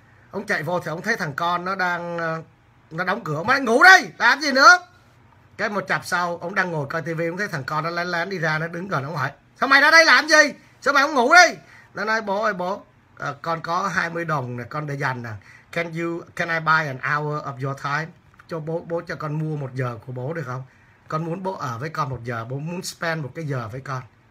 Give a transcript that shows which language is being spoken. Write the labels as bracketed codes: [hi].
[vi] Ông chạy vô thì ông thấy thằng con nó đang, nó đóng cửa, ông nói ngủ đi, làm gì nữa. Cái một chặp sau, ông đang ngồi coi tivi, ông thấy thằng con nó lén lén đi ra, nó đứng gần, ông hỏi, sao mày ra đây làm gì, sao mày không ngủ đi. Nó nói, bố ơi bố, con có 20 đồng này, con để dành nè. [en] Can I buy an hour of your time? [vi] Cho bố cho con mua một giờ của bố được không? Con muốn bố ở với con một giờ, bố muốn spend một cái giờ với con.